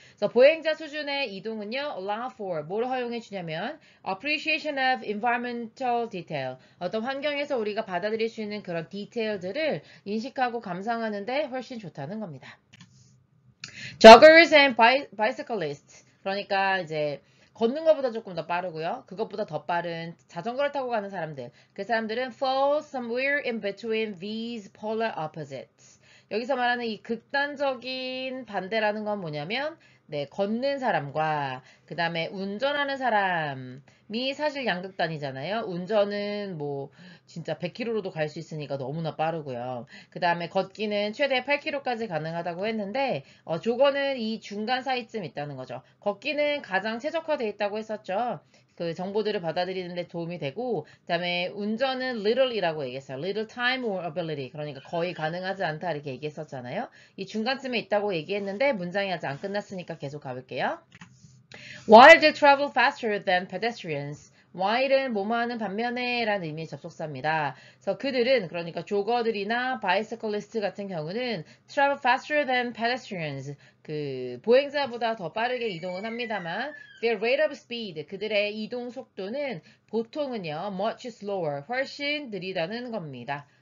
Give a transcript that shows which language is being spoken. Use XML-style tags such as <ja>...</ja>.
<ko>그래서 보행자 수준의 이동은요,</ko> <en>allow for</en> <ko>뭘 허용해 주냐면</ko> <en>appreciation of environmental detail</en> <ko>어떤 환경에서 우리가 받아들일 수 있는 그런 디테일들을 인식하고 감상하는데 훨씬 좋다는 겁니다.</ko> <en>Joggers and bicyclists</en> <ko>그러니까 이제 걷는 것보다 조금 더 빠르고요. 그것보다 더 빠른 자전거를 타고 가는 사람들. 그 사람들은</ko> <en>fall somewhere in between these polar opposites.</en> <ko>여기서 말하는 이 극단적인 반대라는 건 뭐냐면 네, 걷는 사람과 그 다음에 운전하는 사람이 사실 양극단이잖아요. 운전은 뭐 진짜 100km로도 갈 수 있으니까 너무나 빠르고요. 그 다음에 걷기는 최대 8km까지 가능하다고 했는데 조거는 이 중간 사이쯤 있다는 거죠. 걷기는 가장 최적화되어 있다고 했었죠. 그 정보들을 받아들이는 데 도움이 되고 그 다음에 운전은 little이라고 얘기했어요.</ko> <en>little time or ability</en> <ko>그러니까 거의 가능하지 않다 이렇게 얘기했었잖아요. 이 중간쯤에 있다고 얘기했는데 문장이 아직 안 끝났으니까 계속 가볼게요.</ko> <en>Why do travel faster than pedestrians?</en> <ko>Why는 뭐뭐하는 반면에 라는 의미의 접속사입니다. 그래서 그들은 그러니까 조거들이나 bicyclist 같은 경우는</ko> <en>travel faster than pedestrians</en> <ko>그 보행자보다 더 빠르게 이동은 합니다만</ko> <en>their rate of speed</en> <ko>그들의 이동 속도는 보통은요</ko> <en>much slower</en> <ko>훨씬 느리다는 겁니다.</ko>